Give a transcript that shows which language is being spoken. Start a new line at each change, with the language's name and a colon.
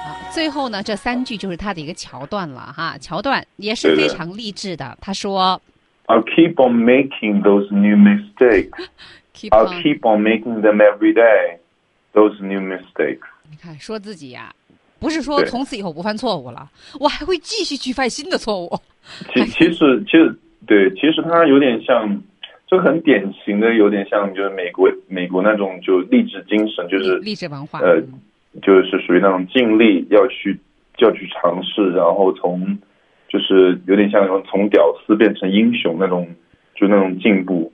Chinese: 最后呢，这三句就是他的一个桥段了哈，桥段也是非常励志的。他说
English: ：“I'll keep on making those new mistakes, I'll keep on making them every day, those new mistakes.
Chinese: 你看，说自己呀、啊，不是说从此以后不犯错误了，我还会继续去犯新的错误。其实它有点像，就很典型的，有点像就是美国那种就励志精神，就是励志文化。就是属于那种尽力要去尝试，然后从就是有点像从屌丝变成英雄那种，就那种进步。